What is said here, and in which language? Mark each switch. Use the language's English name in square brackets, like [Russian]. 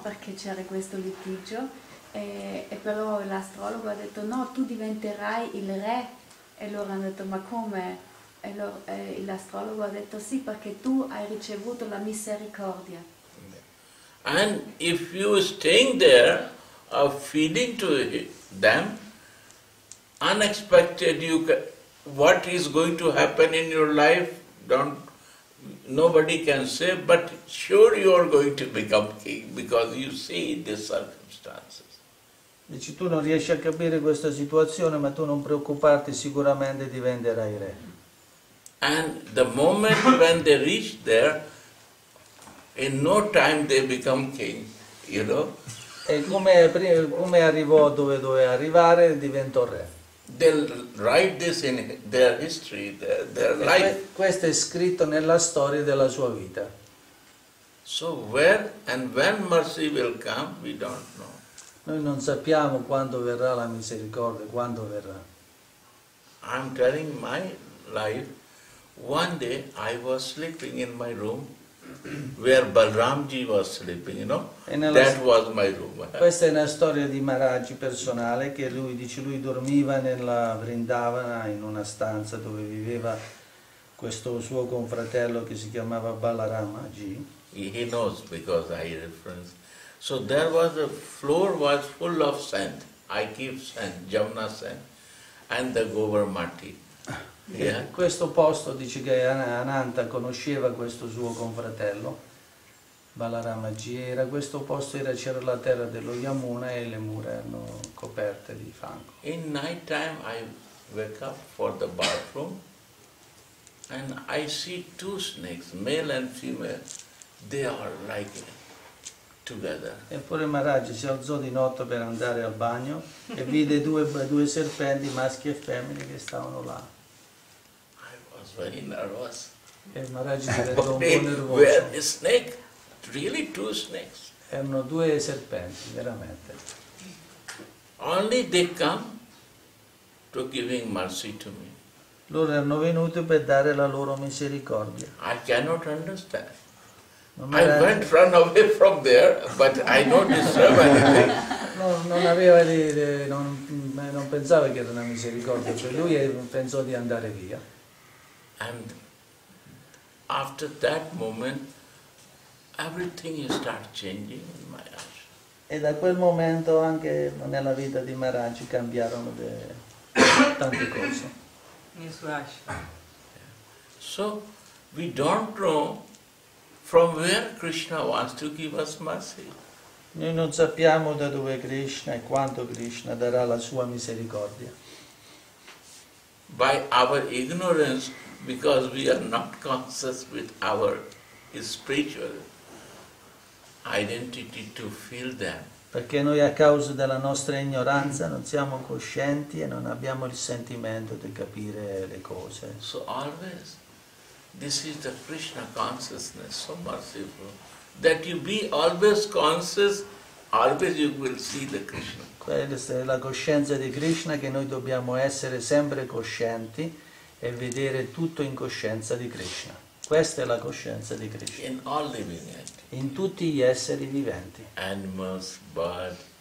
[Italian] Perché c'era questo litigio, e però l'astrologo ha detto, no, tu diventerai il re. E loro hanno detto, ma come? E l'astrologo ha detto, sì, perché tu hai ricevuto la misericordia. [English] And if you staying there of feeding to them, unexpected, what is going to happen in your life, nobody can say, but sure you are going to become king, because you see the circumstances. [Italian] Dici, tu non riesci a capire questa situazione, ma tu non preoccuparti, sicuramente diventerai re. [English] And the moment when they reach there, in no time they become king, you know. [Italian] E come arrivò dove doveva arrivare, diventò re. [English] They'll write this in their history, their life. [Italian] Questo è scritto nella storia della sua vita. [English] So where and when mercy will come, we don't know. [Italian] Noi non sappiamo quando verrà la misericordia, quando verrà. [English] I'm telling my life, one day I was sleeping in my room, where Balramji was sleeping, you know, that was my room. [Italian] Questa è una storia di Maharaj personale, che lui dice, lui dormiva nella Vrindavana, in una stanza dove viveva questo suo confratello che si chiamava Balaramji. [English] He knows because I reference. So there was a floor was full of sand, I keep sand, Jamuna sand, and the Govar Mati. [Italian] Questo posto, dice che Ananta conosceva questo suo confratello, Balaramaji, era questo posto, era, c'era la terra dello Yamuna e le mura erano coperte di fango. [English] In night time I wake up for the bathroom and I see two snakes, male and female, they are like together. [Italian] Eppure Maharaj si alzò di notte per andare al bagno e vide due serpenti, maschi e femmine, che stavano là. [English] I was very nervous. [Italian] E Maharaj diventò un po' nervoso. [English] Where the snake? Really two snakes. [Italian] Erano due serpenti, veramente. [English] Only they come to giving mercy to me. [Italian] Loro erano venuti per dare la loro misericordia. [English] I cannot understand. I went run away from there, but I don't deserve anything. [Italian] Non pensava che era una misericordia per lui e pensò di andare via. [English] And after that moment, everything start changing in my life. [Italian] E da quel momento anche nella vita di Maharaj cambiarono tante cose. [English] So we don't know from where Krishna wants to give us mercy. [Italian] Noi non sappiamo da dove Krishna e quanto Krishna darà la sua misericordia. [English] By our ignorance, because we are not conscious with our spiritual identity to feel them. [Italian] Perché noi a causa della nostra ignoranza non siamo coscienti e non abbiamo il sentimento di capire le cose. [English] So always, this is the Krishna consciousness, so merciful, that you be always conscious, always you will see the Krishna. [Italian] Questa è la coscienza di Krishna, che noi dobbiamo essere sempre coscienti e vedere tutto in coscienza di Krishna. Questa è la coscienza di Krishna. [English] In all living entities. [Italian] In tutti gli esseri viventi. [English] Animals, bird.